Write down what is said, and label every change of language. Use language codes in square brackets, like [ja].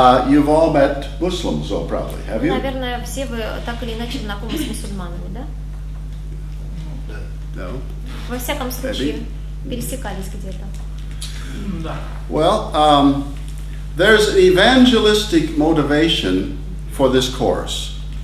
[en] You've all met Muslims, though, probably, have you? [ru] Наверное, все вы так или иначе знакомы с мусульманами, да? [en] No. [ru] Во всяком случае, пересекались где-то. Да. [en] Well, there's an evangelistic motivation for this course.